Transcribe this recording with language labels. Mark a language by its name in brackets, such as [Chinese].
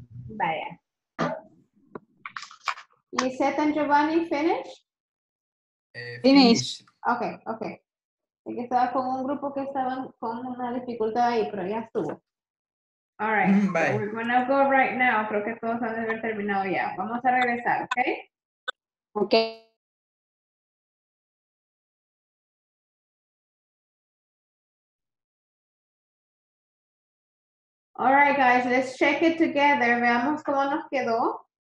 [Spanish] Vaya. [English] Lisette and Giovanni, finish? Finish. Ok. [Spanish] Es que estaba con un grupo que estaba con una dificultad ahí, pero ya estuvo. [English] All right, so we're going to go right now. [Spanish] Creo que todos han de haber terminado ya. Vamos a regresar, ¿ok? [English] Ok. All right, guys, let's check it together. [Spanish] Veamos cómo nos quedó.